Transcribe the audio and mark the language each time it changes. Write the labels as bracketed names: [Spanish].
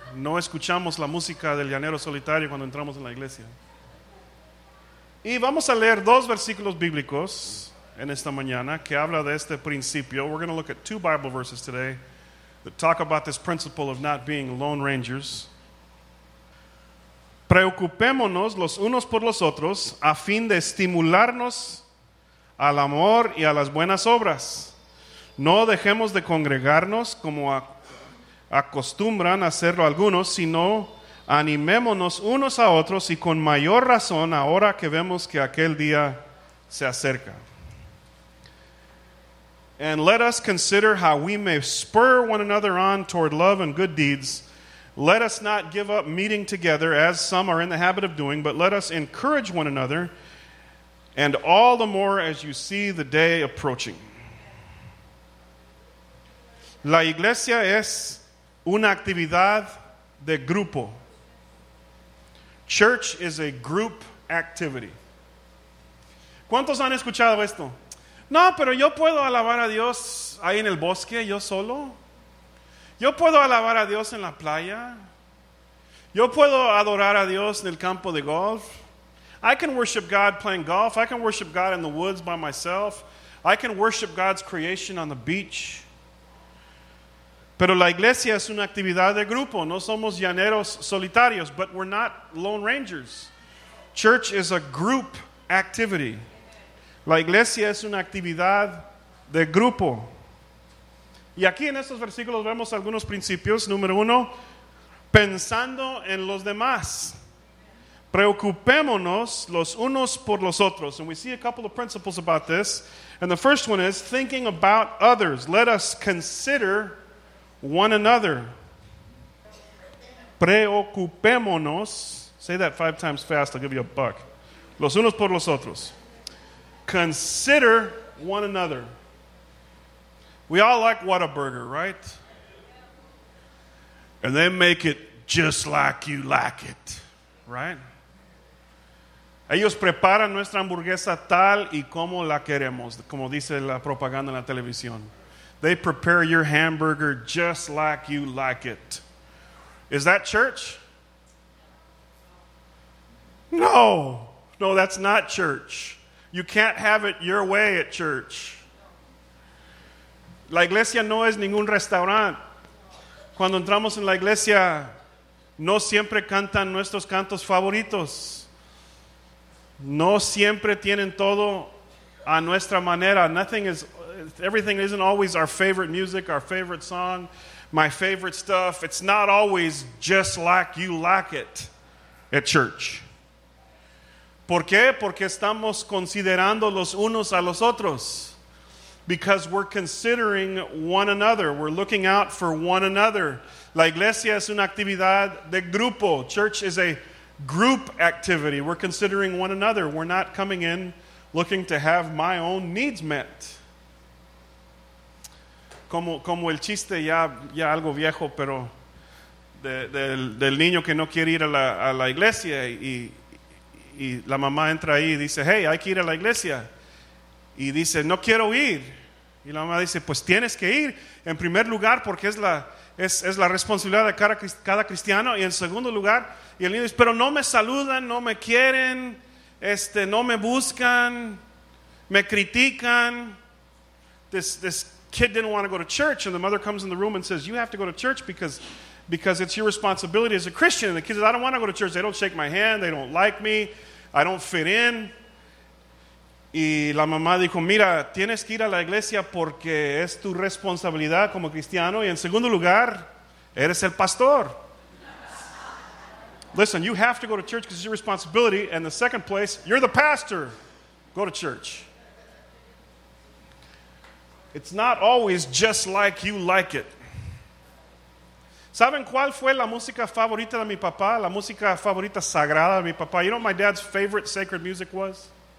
[Spanish] No escuchamos la música del llanero solitario cuando entramos en la iglesia. Y vamos a leer dos versículos bíblicos en esta mañana que habla de este principio. [English] We're going to look at two Bible verses today that talk about this principle of not being Lone Rangers. [Spanish] Preocupémonos los unos por los otros a fin de estimularnos al amor y a las buenas obras. No dejemos de congregarnos como acostumbran a hacerlo algunos, sino animémonos unos a otros y con mayor razón ahora que vemos que aquel día se acerca. [English] And let us consider how we may spur one another on toward love and good deeds. Let us not give up meeting together, as some are in the habit of doing, but let us encourage one another, and all the more as you see the day approaching. [Spanish] La iglesia es una actividad de grupo. [English] Church is a group activity. [Spanish] ¿Cuántos han escuchado esto? No, pero yo puedo alabar a Dios ahí en el bosque, yo solo. Yo puedo alabar a Dios en la playa. Yo puedo adorar a Dios en el campo de golf. [English] I can worship God playing golf. I can worship God in the woods by myself. I can worship God's creation on the beach. [Spanish] Pero la iglesia es una actividad de grupo. No somos llaneros solitarios, [English] but we're not lone rangers. Church is a group activity. [Spanish] La iglesia es una actividad de grupo. Y aquí en estos versículos vemos algunos principios. Número uno, pensando en los demás. Preocupémonos los unos por los otros. [English] And we see a couple of principles about this. And the first one is thinking about others. Let us consider one another. Preocupémonos. Say that 5 times fast, I'll give you a buck. [Spanish] Los unos por los otros. [English] Consider one another. We all like Whataburger, right? And they make it just like you like it, right? [Spanish] Ellos preparan nuestra hamburguesa tal y como la queremos, como dice la propaganda en la televisión. [English] They prepare your hamburger just like you like it. Is that church? No. No, that's not church. You can't have it your way at church. [Spanish] La iglesia no es ningún restaurante. Cuando entramos en la iglesia, no siempre cantan nuestros cantos favoritos. No siempre tienen todo a nuestra manera. [English] Everything isn't always our favorite music, our favorite song, my favorite stuff. It's not always just like you like it at church. [Spanish] ¿Por qué? Porque estamos considerando los unos a los otros. [English] Because we're considering one another. We're looking out for one another. [Spanish] La iglesia es una actividad de grupo. [English] Church is a group activity. We're considering one another. We're not coming in looking to have my own needs met. [Spanish] Como el chiste ya algo viejo, pero del niño que no quiere ir a la iglesia y la mamá entra ahí y dice, hey, hay que ir a la iglesia. Y dice, no quiero ir. Y la mamá dice, pues tienes que ir. En primer lugar, porque es la responsabilidad de cada cristiano. Y en segundo lugar, y el niño dice, pero no me saludan, no me quieren, no me buscan, me critican. [English] This kid didn't want to go to church. And the mother comes in the room and says, you have to go to church because it's your responsibility as a Christian. And the kid says, I don't want to go to church. They don't shake my hand. They don't like me. I don't fit in. [Spanish] Y la mamá dijo, mira, tienes que ir a la iglesia porque es tu responsabilidad como cristiano. Y en segundo lugar, eres el pastor. [English] Listen, you have to go to church because it's your responsibility. And the second place, you're the pastor. Go to church. It's not always just like you like it. [Spanish] ¿Saben cuál fue la música favorita de mi papá? La música favorita sagrada de mi papá. [English] You know what my dad's favorite sacred music was?